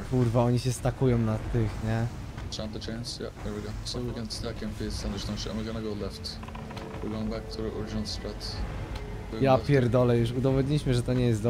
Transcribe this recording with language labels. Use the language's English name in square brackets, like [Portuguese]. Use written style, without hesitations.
[Polish] Kurwa, oni się stakują na tych, nie? [English] Shanty, chains? Yeah, there we go. So we can stack in peace and there's no shit. And we're gonna go left. We're going back to the original strat. [Polish] Ja pierdolę, już udowodniliśmy, że to nie jest do...